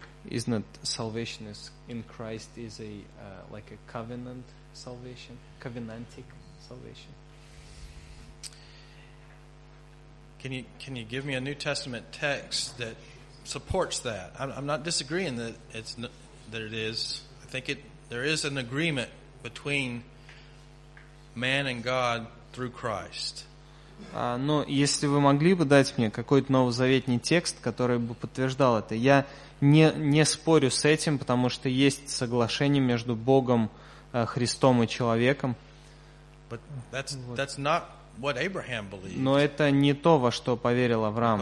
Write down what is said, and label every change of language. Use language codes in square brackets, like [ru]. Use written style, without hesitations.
[en] Isn't salvation in Christ is a like a covenant salvation, covenantic salvation? Can you give me a New Testament text that supports that? I'm not disagreeing that it is. I think there is an agreement between man and God through Christ. [ru] Но если вы могли бы дать мне какой-то новозаветный текст, который бы подтверждал это, я не спорю с этим, потому что есть соглашение между Богом, Христом и человеком. But that's not what Abraham believed. Но это не то, во что поверил Авраам,